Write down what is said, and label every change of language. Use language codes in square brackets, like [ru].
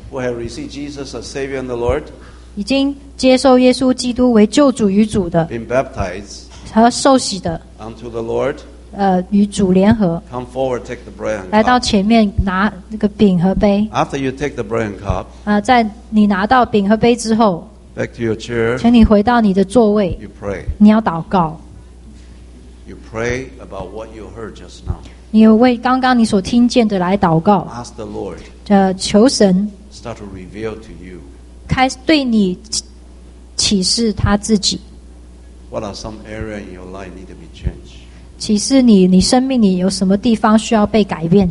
[en] who have received Jesus as Savior and the Lord. [zh] 已经接受耶稣基督为救主与主的。 [en] Been baptized. [zh] 和受洗的。 [en] Unto the Lord. [zh] 与主联合 [en] Come forward, take the bread and cup. [zh] 来到前面拿那个饼和杯 [en] After you take the bread and cup, [zh] 在你拿到饼和杯之后 [en] Back to your chair, [zh] 请你回到你的座位 [en] you pray. [zh] 你要祷告 [en] you pray about what you heard just now. [zh] 你为刚刚你所听见的来祷告 [en] Ask the Lord, [zh] 求神 [en] start to reveal to you. [zh] 开始对你启示他自己 [en] What are some areas in your life need to be changed? [zh] 启示你生命里有什么地方需要被改变